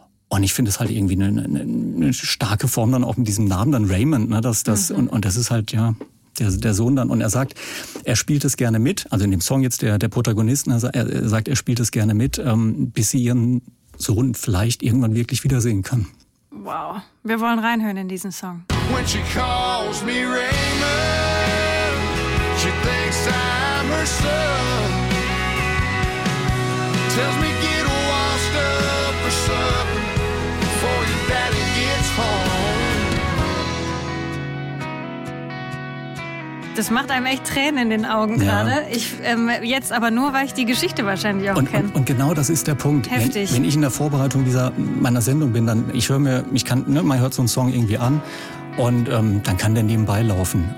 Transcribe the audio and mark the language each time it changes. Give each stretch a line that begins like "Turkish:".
German: Und ich finde es halt irgendwie eine starke Form dann auch mit diesem Namen, dann Raymond, ne, und das ist halt, ja... Der Sohn dann, und er sagt, er spielt es gerne mit, also in dem Song jetzt der Protagonisten, er sagt, er spielt es gerne mit, bis sie ihren Sohn vielleicht irgendwann wirklich wiedersehen kann. Wow, wir wollen reinhören in diesen Song.
English: When she calls me Raymond, she thinks I'm her son. Tells me get washed up or something before your daddy gets home.
German: Das macht einem echt Tränen in den Augen gerade. Ja. Jetzt aber nur, weil ich die Geschichte wahrscheinlich auch kenne. Und genau das ist der Punkt. Heftig. Wenn ich in der Vorbereitung meiner Sendung bin, dann man hört so einen Song irgendwie an und dann kann der nebenbei laufen.